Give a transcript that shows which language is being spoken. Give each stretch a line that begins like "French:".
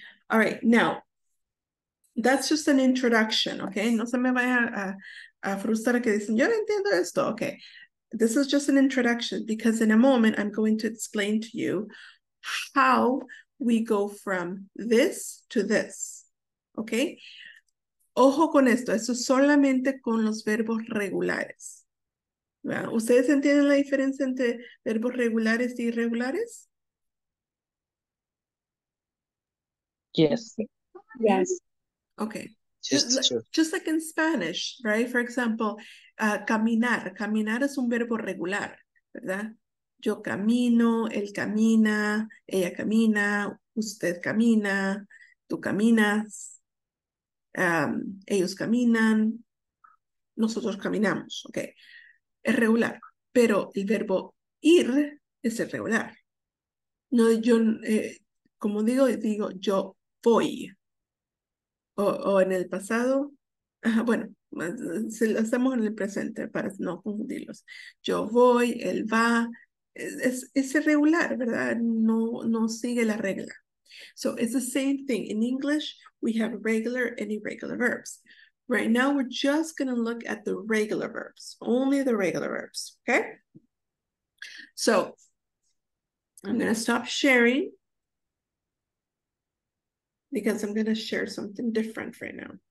English: All right, now, that's just an introduction, okay?
Spanish: No se me vaya a frustrar que dicen, yo no entiendo esto, okay?
English: This is just an introduction, because in a moment, I'm going to explain to you how we go from this to this.
Spanish: Okay, ojo con esto, eso solamente con los verbos regulares. ¿Ustedes entienden la diferencia entre verbos regulares e irregulares?
English: Yes. Yes. Okay. Just like in Spanish, right? For example, caminar.
Spanish: Caminar es un verbo regular, ¿verdad? Yo camino, él camina, ella camina, usted camina, tú caminas. Ellos caminan, nosotros caminamos, okay, es regular, pero el verbo ir es irregular. No, yo, como digo yo voy, o en el pasado, bueno, estamos en el presente para no confundirlos, yo voy, él va, es irregular, ¿verdad? No sigue la regla.
English: So it's the same thing. In English, we have regular and irregular verbs. Right now, we're just going to look at the regular verbs, only the regular verbs, okay? So I'm going to stop sharing because I'm going to share something different right now.